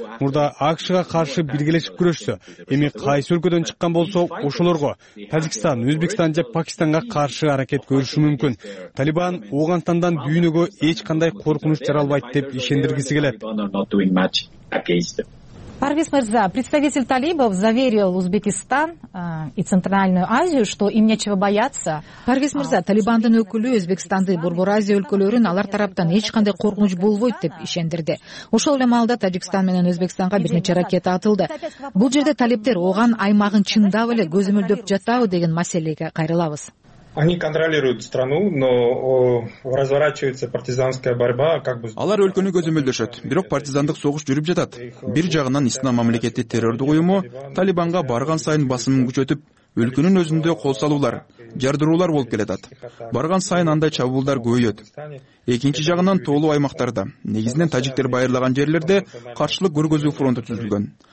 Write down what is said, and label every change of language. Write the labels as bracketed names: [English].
[Kyrgyz] Мурда АКШга каршы биргелешип күрөшсө, эми кайсы өлкөдөн чыккан болсо ошолорго Тажикстан, Өзбекстан же Пакистанга каршы аракет көрүшү мүмкүн. Талибан Оогонстандан дүйнөгө эч кандай коркунуч жаралбайт деп ишендиргиси келет. [Russian] Парвиз Мырза, представитель талибов заверил Узбекистан и Центральную Азию, что им нечего бояться. [Kyrgyz] Парвиз Мырза, талибандын өкүлү Өзбекстанды борбор Азия өлкөлөрүн алар тараптан эч кандай коркунуч болбойт деп ишендирди. Ошол эле маалда Тажикстан менен Өзбекстанга бир нече ракета атылды. Бул жерде талиптер Ооган аймагын чындап эле көзөмөлдөп жатабы деген маселеге кайрылабыз. [Russian] Они контролируют страну, но разворачивается партизанская борьба, как бы. [Kyrgyz] Алар өлкөнү көзөмөлдөшөт, бирок партизандык согуш жүрүп жатат. Бир жагынан Ислам мамлекети террордук уюму Талибанга барган сайын басымын күчөтүп, өлкөнүн өзүндө кол салуулар, жардыруулар болуп келатат. Барган сайын андай чабуулдар көбөйөт. Экинчи жагынан тоолуу аймактарда, негизинен тажиктер байырлаган жерлерде каршылык көргөзүү фронту түзүлгөн.